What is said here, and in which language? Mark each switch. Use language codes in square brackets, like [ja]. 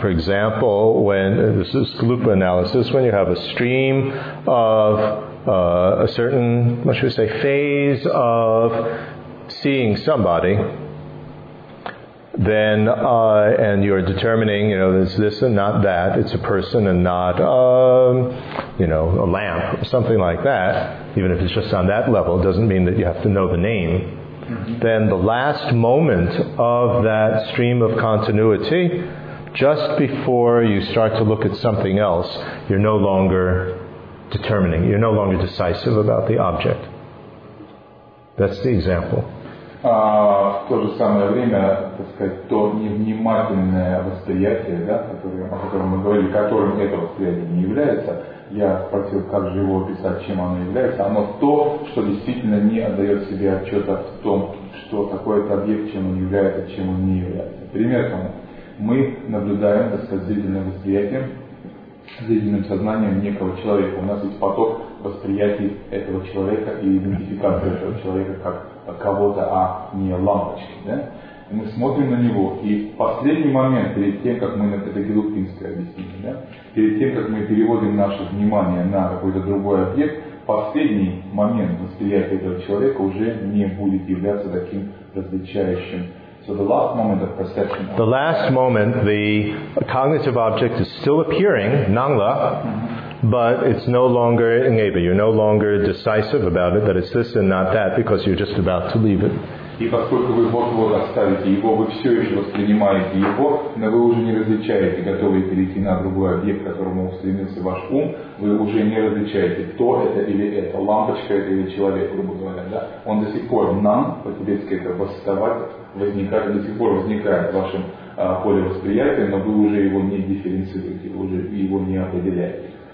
[en] For example, when this is loop analysis, when you have a stream of a certain, what should we say, phase of seeing somebody, then and you're determining, you know, it's this and not that, it's a person and not you know, a lamp or something like that, even if it's just on that level, doesn't mean that you have to know the name. Then the last moment of that stream of continuity, just before you start to look at something else, you're no longer determining. You're no longer decisive about the object. That's the example. [ru] В то же самое время, так сказать, то невнимательное восприятие, да, которое, о котором мы говорили, которым это восприятие не является, я спросил, как же его описать, чем оно является, оно то, что действительно не отдает себе отчета в том, что такое этот объект, чем он является, чем он не является. Пример тому. Мы наблюдаем, так сказать, зрительным восприятием, зрительным сознанием некого человека. У нас есть поток восприятий этого человека и идентификации этого человека как кого-то, а не лампочки. Да? Мы смотрим на него, и в последний момент, перед тем, как мы, это Гелупинское объяснение, да? Перед тем, как мы переводим наше внимание на какой-то другой объект, последний момент восприятия этого человека уже не будет являться таким различающим. [en] So the last moment of perception. The last moment, the cognitive object is still appearing, nangla, but it's no longer ngeba. You're no longer decisive about it, that it's this and not that, because you're just about to leave it. [ru] И поскольку вы вот-вот оставите его, вы все еще воспринимаете его, но вы уже не различаете, готовы перейти на другой объект, к которому устремился ваш ум, вы уже не различаете, то это или это, лампочка это или человек, грубо говоря, да? Он до сих пор нам, по-тибетски это восставать, возникает, до сих пор возникает в вашем поле восприятия, но вы уже его не дифференцируете, вы уже его не определяете.